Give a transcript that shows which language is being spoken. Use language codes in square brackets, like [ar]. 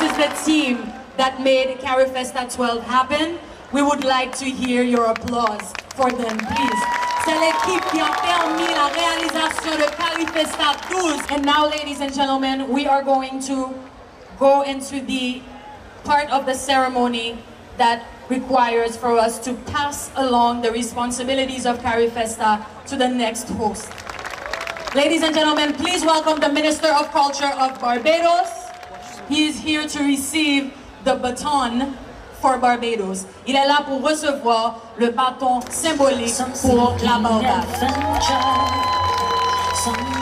[en] CARIFESTA XII happen, we would like to hear your applause for them, please. [fr] C'est l'équipe qui a permis la réalisation de CARIFESTA XII. [en] And now, ladies and gentlemen, we are going to go into the part of the ceremony that requires for us to pass along the responsibilities of CARIFESTA to the next host. Ladies and gentlemen, please welcome the Minister of Culture of Barbados. He is here to receive the baton for Barbados. [fr] Il est là pour recevoir le bâton symbolique pour la Barbade.